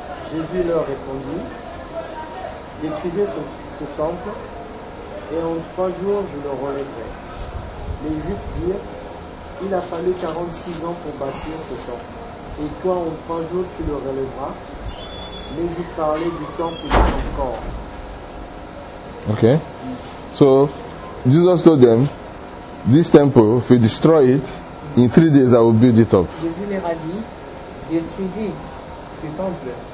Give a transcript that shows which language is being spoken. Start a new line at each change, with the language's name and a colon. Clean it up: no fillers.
French: Jésus leur répondit, détruisez ce temple et en 3 jours je le relèverai. Les Juifs dirent, il a fallu 46 ans pour bâtir ce temple et toi en 3 jours tu le relèveras. Mais ils parlaient du temple de son corps. Ok.
English: So, Jesus told them, this temple, if you destroy it, in 3 days I will build it up.
French: Jésus leur a dit, détruisez ce temple.